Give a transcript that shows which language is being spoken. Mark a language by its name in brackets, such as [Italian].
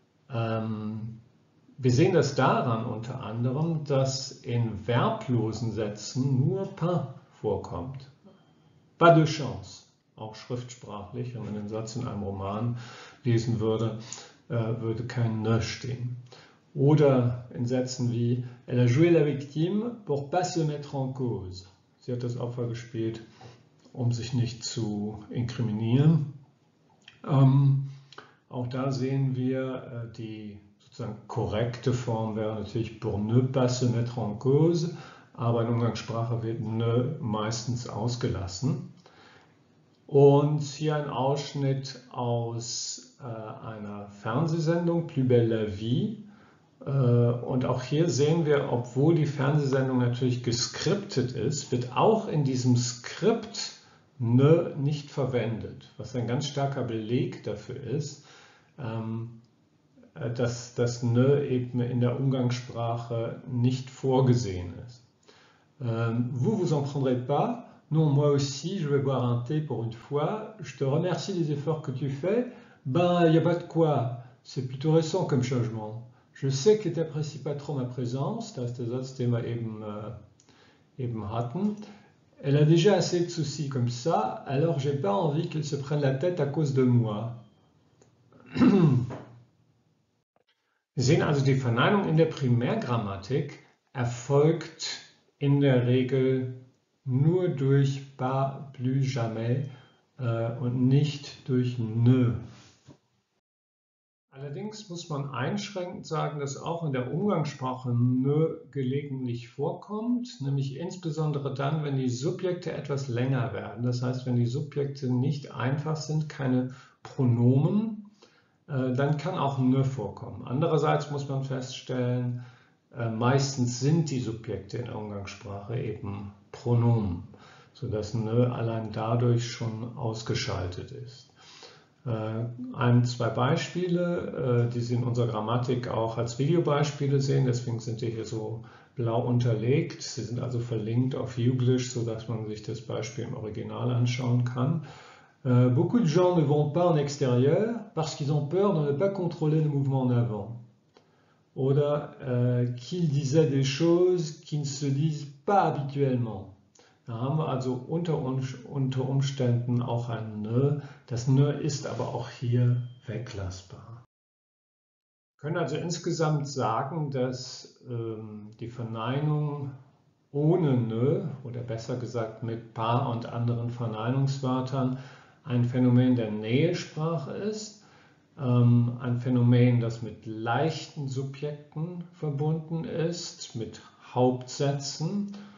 [German] Wir sehen das daran unter anderem, dass in verblosen Sätzen nur pas vorkommt. [French] Pas de chance, [German] auch schriftsprachlich, wenn man den Satz in einem Roman lesen würde. Würde kein Ne stehen. Oder in Sätzen wie: [French] Elle a joué la victime pour pas se mettre en cause. [German] Sie hat das Opfer gespielt, um sich nicht zu inkriminieren. Auch da sehen wir, die sozusagen korrekte Form wäre natürlich [French] pour ne pas se mettre en cause, [German] aber in Umgangssprache wird Ne meistens ausgelassen. Und hier ein Ausschnitt aus einer Fernsehsendung, Plus belle la vie. Und auch hier sehen wir, obwohl die Fernsehsendung natürlich geskriptet ist, wird auch in diesem Skript ne nicht verwendet, was ein ganz starker Beleg dafür ist, dass das ne eben in der Umgangssprache nicht vorgesehen ist. [French] Vous vous en prendrez pas? Non, moi aussi, je vais boire un thé pour une fois. Je te remercie des efforts que tu fais. Ben, il n'y a pas de quoi. C'est plutôt récent comme changement. Je sais que tu n'apprécies pas trop ma présence. [German] Das ist der Satz, den wir eben hatten. [French] Elle a déjà assez de soucis comme ça, alors j'ai pas envie qu'elle se prenne la tête à cause de moi. [German] Wir sehen also, die Verneinung in der Primärgrammatik erfolgt in der Regel nur durch pas, plus, jamais und nicht durch ne. Allerdings muss man einschränkend sagen, dass auch in der Umgangssprache ne gelegentlich vorkommt, nämlich insbesondere dann, wenn die Subjekte etwas länger werden. Das heißt, wenn die Subjekte nicht einfach sind, keine Pronomen, dann kann auch ne vorkommen. Andererseits muss man feststellen, meistens sind die Subjekte in der Umgangssprache eben Pronomen, sodass ne allein dadurch schon ausgeschaltet ist. Ein, zwei Beispiele, die Sie in unserer Grammatik auch als Videobeispiele sehen, deswegen sind die hier so blau unterlegt. Sie sind also verlinkt auf Youglish, sodass man sich das Beispiel im Original anschauen kann. [French] Beaucoup de gens ne vont pas en extérieur parce qu'ils ont peur de ne pas contrôler le mouvement en avant. [German] Oder [French] qu'ils disaient des choses qui ne se disent pas habituellement. [German] Da haben wir also unter Umständen auch ein Ne. Das Ne ist aber auch hier weglassbar. Wir können also insgesamt sagen, dass die Verneinung ohne Ne oder besser gesagt mit Pa und anderen Verneinungswörtern ein Phänomen der Nähesprache ist, ein Phänomen, das mit leichten Subjekten verbunden ist, mit Hauptsätzen